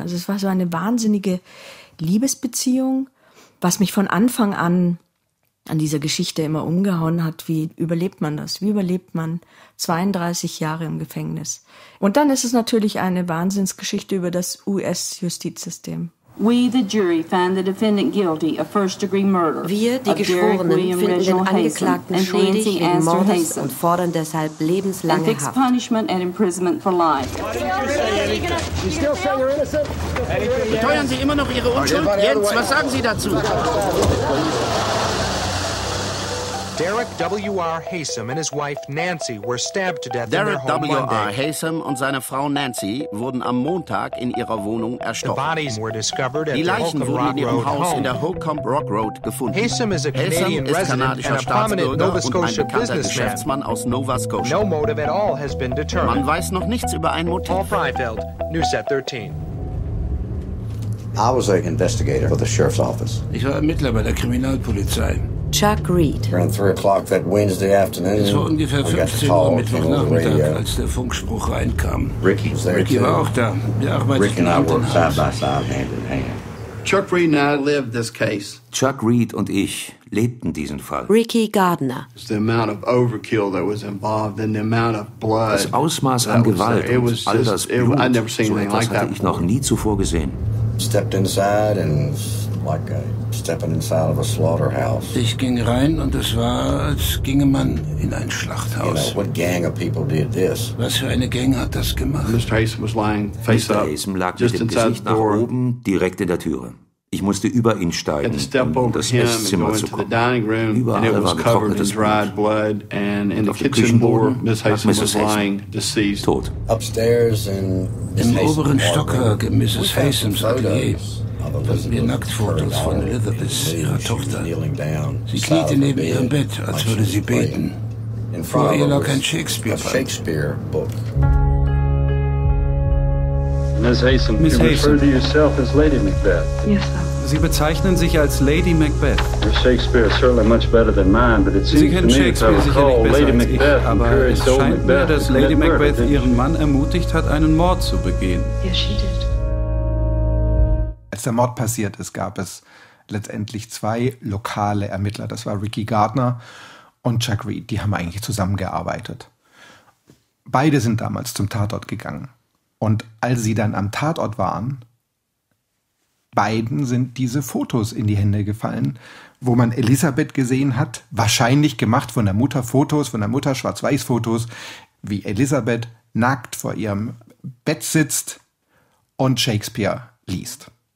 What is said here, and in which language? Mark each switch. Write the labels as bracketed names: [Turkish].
[German] Also es war so eine wahnsinnige Liebesbeziehung, was mich von Anfang an dieser Geschichte immer umgehauen hat. Wie überlebt man das? Wie überlebt man 32 Jahre im Gefängnis? Und dann ist es natürlich eine Wahnsinnsgeschichte über das US-Justizsystem. [English] We, the jury, find the defendant guilty of first-degree murder. [German] Wir, die Geschworenen, finden den Angeklagten schuldig in Mordes und fordern deshalb lebenslange Haft. [English] And fixed punishment and imprisonment for life. [German] Beteuern Sie immer noch Ihre Unschuld? Jens, was sagen Sie dazu? [English] Derek W.R. Haysom and his wife Nancy were stabbed to death Derek in their home Monday. [German] Derek W.R. Haysom und seine Frau Nancy wurden am Montag in ihrer Wohnung erstochen. Die Leichen wurden in ihrem Haus in der Holcomb Rock Road gefunden. Haysom ist kanadischer Staatsbürger und ein bekannter Geschäftsmann aus Nova Scotia. [English] No motive at all has been determined. [German] Man weiß noch nichts über ein Motiv. [English] Paul Freifeld, Newset 13. I was an investigator for the sheriff's office. [German] Ich war Ermittler bei der Kriminalpolizei. [English] Chuck Reed. Around 3 o'clock that Wednesday afternoon. [German] Es war ungefähr 15 Uhr Mittwochnachmittag, als der Funkspruch reinkam. [English] Ricky was there Ricky too. [German] War auch da. Wir arbeiteten [English] Rick and I worked side by side, hand in hand. Chuck Reed and I lived this case. [German] Chuck Reed und ich lebten diesen Fall. [English] Ricky Gardner. It's the amount of overkill that was involved and the amount of blood. [German] Das Ausmaß an Gewalt und all das Blut. [English] I'd never seen anything like that. [German] Hatte ich noch nie zuvor gesehen. [English] Stepped inside and like a stepping inside of a slaughterhouse. [German] Ich ging rein und es war, als ginge man in ein Schlachthaus. [English] You know, what gang of people did this? [German] Was für eine Gang hat das gemacht? [English] Mr. Haysom was lying face up. [German] Haysom lag mit dem Gesicht nach oben, direkt in der Türe. Ich musste über ihn steigen, um in das Esszimmer zu kommen. Überall war getrocknetes Blut. Und auf dem Küchenboden lag Mrs. Haysom tot. Im oberen Stockwerk in Mrs. Haysoms Atelier fanden wir Nacktfotos von Elizabeth, ihrer Tochter. Sie kniete neben ihrem Bett, als würde sie beten. Vor ihr lag ein Shakespeare-Buch. [English] Miss Haysom, you refer to yourself as Lady Macbeth. Yes, sir. [German] Sie bezeichnen sich als Lady Macbeth. [English] Your Shakespeare is certainly much better than mine, but it seems to me that I recall Lady Macbeth encouraged old Macbeth to commit murder. [German] Lady Macbeth ihren Mann ermutigt hat, einen Mord zu begehen. [English] Yes, she did. [German] Als der Mord passiert ist, gab es letztendlich 2 lokale Ermittler. Das war Ricky Gardner und Chuck Reed. Die haben eigentlich zusammengearbeitet. Beide sind damals zum Tatort gegangen. Und als sie dann am Tatort waren, beiden sind diese Fotos in die Hände gefallen, wo man Elisabeth gesehen hat, wahrscheinlich gemacht von der Mutter Fotos, von der Mutter Schwarz-Weiß-Fotos, wie Elisabeth nackt vor ihrem Bett sitzt und Shakespeare liest.